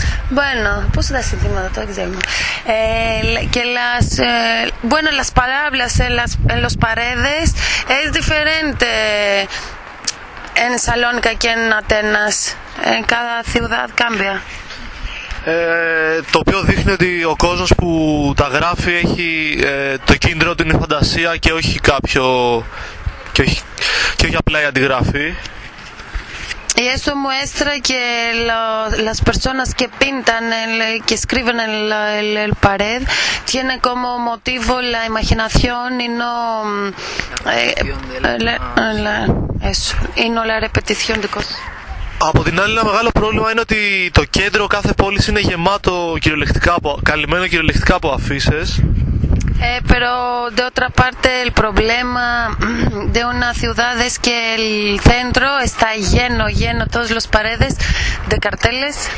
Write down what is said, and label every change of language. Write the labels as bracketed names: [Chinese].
[Spanish] Bueno, [Greek] πώς τα συνθήματα, το ξέρω. [Spanish] Και las bueno, las palabras en los paredes es diferente en Salónica que en Atenas. En cada ciudad cambia. [Greek] Το οποίο δείχνει ότι ο κόσμος που τα γράφει έχει το κίνητρο ότι είναι φαντασία και όχι κάποιο και όχι απλά η αντιγραφή. [Spanish] Y eso muestra que las personas que pintan, que escriben en el pared, tienen como motivo la imaginación y no la repetición de cosas. [Greek] Από την άλλη, ένα μεγάλο πρόβλημα είναι ότι το κέντρο κάθε πόλης είναι γεμάτο κυριολεκτικά από, καλυμμένο κυριολεκτικά από αφίσες. [Spanish] Pero de otra parte el problema de una ciudad es que el centro está lleno todas las paredes de carteles.